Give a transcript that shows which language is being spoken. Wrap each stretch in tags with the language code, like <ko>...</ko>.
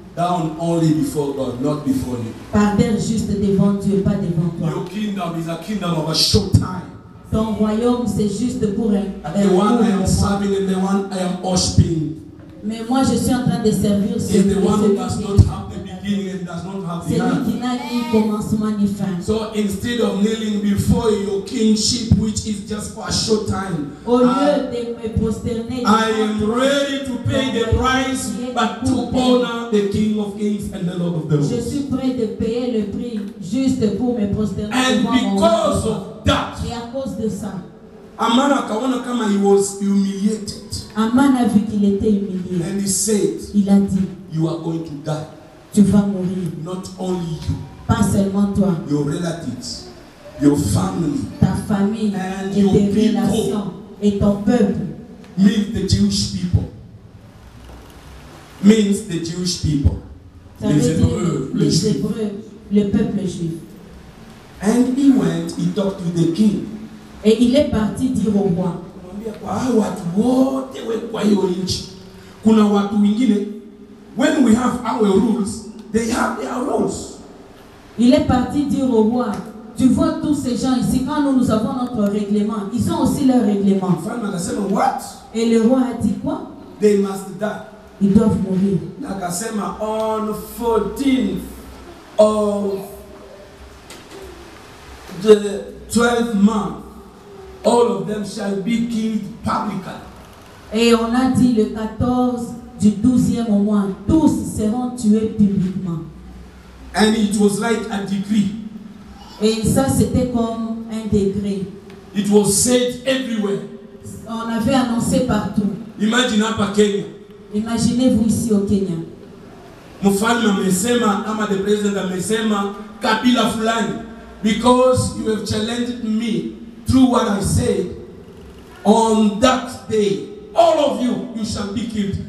<en>Down only before God, not before you.</en> <fr>Pardonne juste devant Dieu, pas devant toi.</fr> <en>Your kingdom is a kingdom of a short time.</en> <fr>Ton royaume c'est juste pour un.</fr> <en>The one I am serving and the one I am worshiping.</en> <fr>Mais moi je suis en train de servir celui.</fr> <en>Is the one who does not have the beginning and does not have the end.</en> <fr>Celui qui n'a ni commencement ni fin.</fr> <en>So instead of kneeling before your kingship, which is just for a short time,</en> <fr>au lieu de me prosterner,</fr> <en>I am ready to pay the price. But to honor the King of Kings and the Lord of the Lords.</en> <fr>Je suis prêt de payer le prix juste pour me prosterner.</fr> <en>And because of that,</en> <fr>et à cause de ça,</fr> <en>Aman</en> <sw>akaona kama</sw> <en>he was humiliated.</en> <fr>Aman a vu qu'il était humilié.</fr> <en>And he said,</en> <fr>il a dit,</fr> <en>you are going to die.</en> <fr>Tu vas mourir.</fr> <en>Not only you.</en> <fr>Pas seulement toi.</fr> <en>Your relatives, your family,</en> <fr>ta famille,</fr> <en>and</en> <fr>et</fr> <en>your</en> <fr>tes</fr> <en>people,</en> <fr>relations, et ton peuple.</fr> <en>Means the Jewish people. Means the Jewish people.</en> <fr>Ça les Hébreux, le peuple juif.</fr> <en>And he went, he talked to the king.</en> <fr>Et il est parti dire au roi.</fr> <sw>Watu wote kwa hiyo nchi. Kuna watu wengine.</sw> <en>When we have our rules, they have their rules.</en> <fr>Il est parti dire au roi. Tu vois tous ces gens ici, quand nous avons notre règlement, ils ont aussi leur règlement.</fr> <en>What?</en> <fr>Et le roi a dit quoi?</fr> <en>They must die.</en> <fr>Ils doivent mourir.</fr> <sw>Nakasema</sw> <en>on 14th of the 12th month, all of them shall be killed publicly.</en> <fr>Et on a dit le 14 du 12e mois, tous seront tués publiquement.</fr> <en>And it was like a decree.</en> <fr>Et ça, c'était comme un degré.</fr> <en>It was said everywhere.</en> <fr>On avait annoncé partout.</fr> <en>Imagine hapa Kenya.</en> <fr>Imaginez-vous ici au Kenya.</fr> <sw>Mufalme amesema, ama</sw> <en>the president</en> <sw>amesema, kabila fulani.</sw> <en>Because you have challenged me through what I said on that day. All of you, you shall be killed.</en>